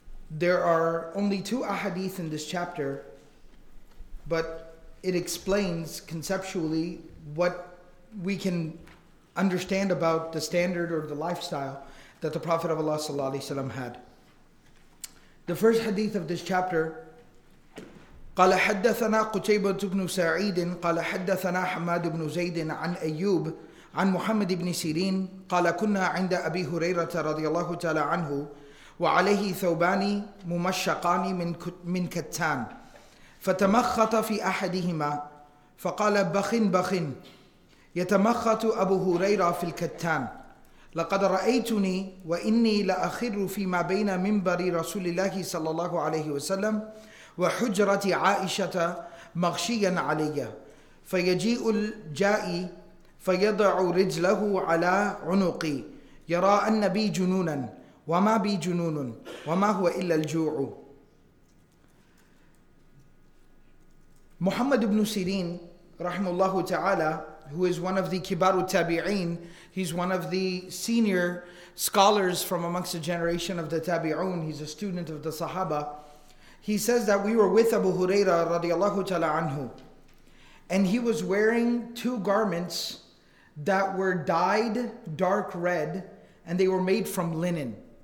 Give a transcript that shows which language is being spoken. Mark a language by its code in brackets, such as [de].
[en] There are only two ahadith in this chapter, but it explains conceptually what we can understand about the standard or the lifestyle that the Prophet of Allah sallallahu alayhi wa sallam had. The first hadith of this chapter, [ar] قال حدثنا قتيبة بن سعيد قال حدثنا حماد بن زيد عن أيوب عن محمد بن سيرين قال كنا عند أبي هريرة رضي الله تعالى عنه وعليه ثوبان ممشقان من كتان فتمخط في أحدهما فقال بخن بخن يتمخط أبو هريرة في الكتان لقد رأيتني وإني لأخر فيما بين منبر رسول الله صلى الله عليه وسلم وحجرة عائشة مغشيا علي فيجيء الجائي فيضع رجله على عنقي يرى أن بي جنونا وما بي جنون وما هو إلا الجوع. [en] محمد بن سيرين [ar] رحمه الله تعالى, [en] who is one of the kibar tabi'in, he's one of the senior scholars from amongst the generation of the tabi'un, he's a student of the sahaba, he says that we were with Abu Huraira radiallahu ta'ala anhu, and he was wearing two garments that were dyed dark red, and they were made from linen.